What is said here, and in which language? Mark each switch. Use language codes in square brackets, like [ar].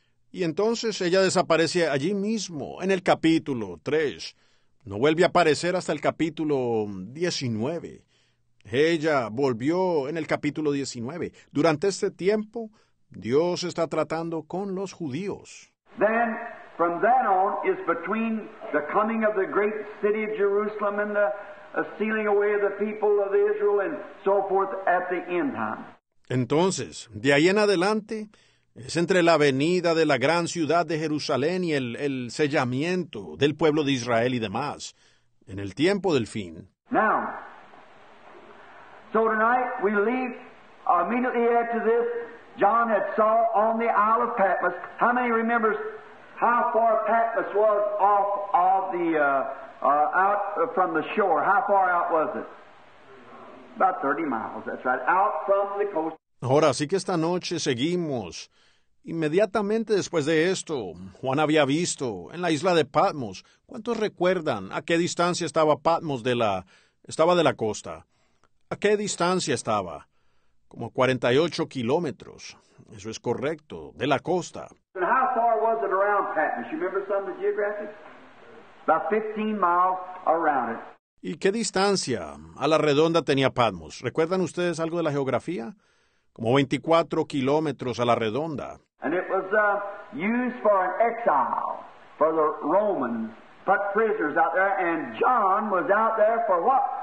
[es] Y entonces ella desaparece allí mismo, en el capítulo 3. No vuelve a aparecer hasta el capítulo 19. Ella volvió en el capítulo 19. Durante este tiempo, Dios está tratando con los judíos. [en] Then, from that on, is between the coming of the great city of Jerusalem and the sealing away of the people of Israel and so forth at the end time. [es] Entonces, de ahí en adelante, es entre la venida de la gran ciudad de Jerusalén y el sellamiento del pueblo de Israel y demás, en el tiempo del fin. [en] Now, so tonight we leave immediately after this, John had saw on the Isle of Patmos. How many remembers how far Patmos was off of the, out from the shore? How far out was it? About 30 miles, that's right, out from the coast. [es] Ahora, así que esta noche seguimos. Inmediatamente después de esto, Juan había visto en la isla de Patmos. ¿Cuántos recuerdan a qué distancia estaba Patmos de la costa? ¿A qué distancia estaba? Como 48 kilómetros. Eso es correcto, de la costa. [en] And how far was it around Patmos? You remember some of the geographic? About 15 miles around it. [es] ¿Y qué distancia a la redonda tenía Patmos? ¿Recuerdan ustedes algo de la geografía? Como 24 kilómetros a la redonda. [en] And it was used for an exile for the Romans, put prisoners out there. And John was out there for what?